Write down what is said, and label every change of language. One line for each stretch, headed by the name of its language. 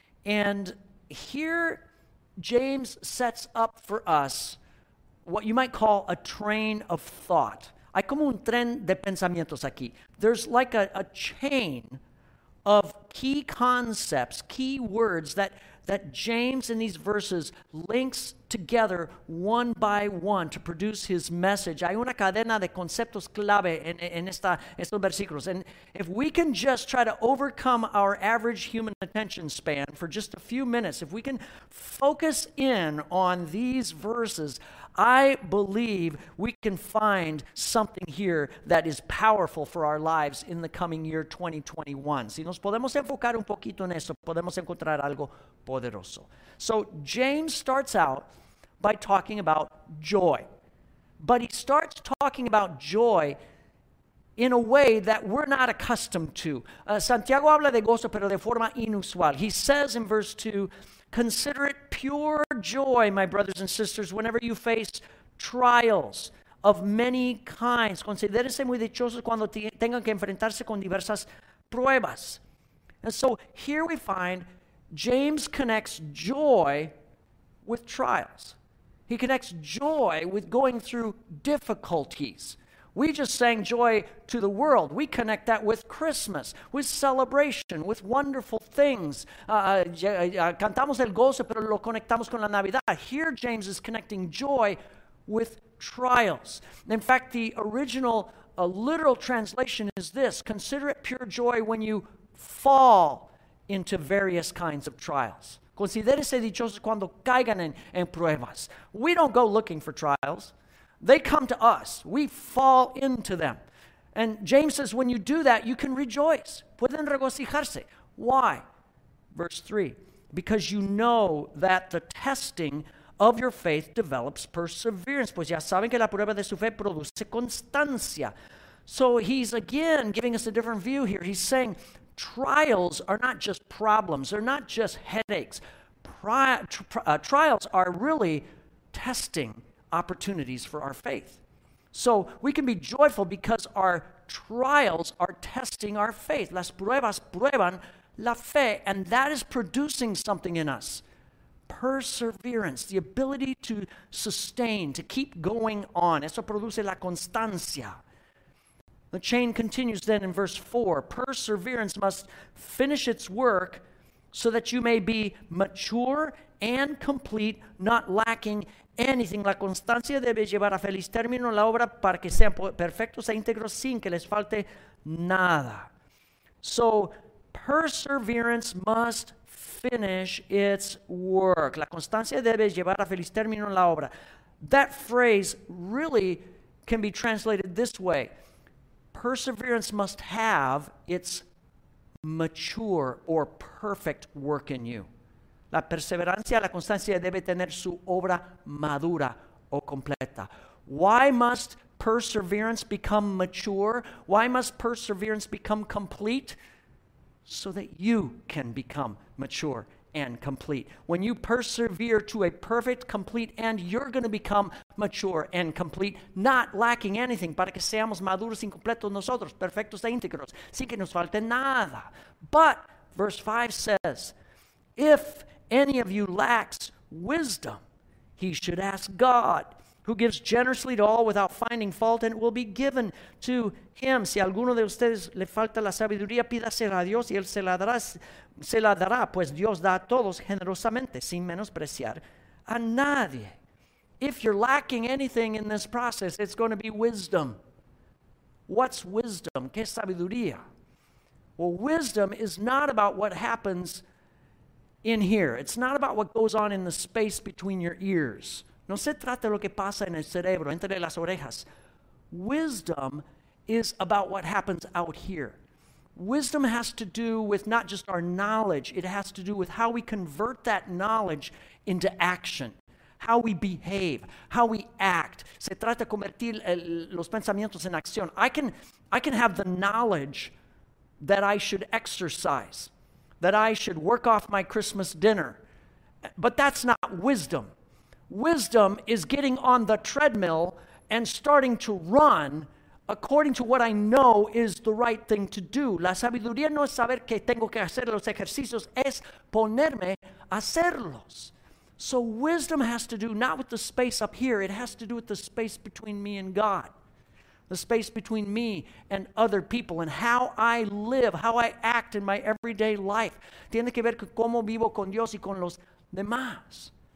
English: And here James sets up for us what you might call a train of thought.
Spanish: Hay como un tren de pensamientos aquí.
English: There's like a chain of key concepts, key words that that James in these verses links together one by one to produce his message.
Spanish: Hay una cadena de conceptos clave en estos versículos.
English: And if we can just try to overcome our average human attention span for just a few minutes, if we can focus in on these verses, I believe we can find something here that is powerful for our lives in the coming year 2021.
Spanish: Si nos podemos enfocar un poquito en eso, podemos encontrar algo poderoso.
English: So James starts out by talking about joy. But he starts talking about joy in a way that we're not accustomed to.
Spanish: Santiago habla de gozo, pero de forma inusual.
English: He says in verse 2, consider it pure joy, my brothers and sisters, whenever you face trials of many kinds.
Spanish: Considérense muy dichosos cuando tengan que enfrentarse con diversas pruebas.
English: And so here we find James connects joy with trials. He connects joy with going through difficulties. We just sang joy to the world. We connect that with Christmas, with celebration, with wonderful things.
Spanish: Cantamos el gozo, pero lo conectamos con la Navidad.
English: Here, James is connecting joy with trials. In fact, the original literal translation is this: consider it pure joy when you fall into various kinds of trials.
Spanish: Considérese dichosos cuando caigan en pruebas.
English: We don't go looking for trials. They come to us. We fall into them. And James says, when you do that, you can rejoice.
Spanish: Pueden regocijarse.
English: Why? Verse 3, because you know that the testing of your faith develops perseverance.
Spanish: Pues ya saben que la prueba de su fe produce constancia.
English: So he's again giving us a different view here. He's saying trials are not just problems. They're not just headaches. Trials are really testing opportunities for our faith. So we can be joyful because our trials are testing our faith.
Spanish: Las pruebas prueban la fe,
English: and that is producing something in us. Perseverance, the ability to sustain, to keep going on.
Spanish: Eso produce la constancia.
English: The chain continues then in verse 4. Perseverance must finish its work so that you may be mature and complete, not lacking anything.
Spanish: La constancia debe llevar a feliz término la obra para que sean perfectos e íntegros sin que les falte nada.
English: So, perseverance must finish its work.
Spanish: La constancia debe llevar a feliz término la obra.
English: That phrase really can be translated this way. Perseverance must have its mature or perfect work in you.
Spanish: La perseverancia, la constancia debe tener su obra madura o completa.
English: Why must perseverance become mature? Why must perseverance become complete? So that you can become mature and complete. When you persevere to a perfect, complete end, you're going to become mature and complete, not lacking anything.
Spanish: Para que seamos maduros y completos nosotros, perfectos e íntegros, sin que nos falte nada.
English: But, verse 5 says, if any of you lacks wisdom, he should ask God, who gives generously to all without finding fault, and it will be given to him.
Spanish: Si alguno de ustedes le falta la sabiduría, pídasela a Dios y él se la dará, pues Dios da a todos generosamente, sin menospreciar a nadie.
English: If you're lacking anything in this process, it's going to be wisdom. What's wisdom?
Spanish: ¿Qué es sabiduría?
English: Well, wisdom is not about what happens in here. It's not about what goes on in the space between your ears.
Spanish: No se trata de lo que pasa en el cerebro, entre las orejas.
English: Wisdom is about what happens out here. Wisdom has to do with not just our knowledge. It has to do with how we convert that knowledge into action. How we behave. How we act.
Spanish: Se trata de convertir los pensamientos en acción.
English: I can have the knowledge that I should exercise, that I should work off my Christmas dinner. But that's not wisdom. Wisdom is getting on the treadmill and starting to run according to what I know is the right thing to do.
Spanish: La sabiduría no es saber que tengo que hacer los ejercicios, es ponerme a hacerlos.
English: So wisdom has to do not with the space up here, it has to do with the space between me and God. the space between me and other people, and how I live, how I act in my everyday life.
Spanish: Tiene que ver con cómo vivo con Dios y con los demás.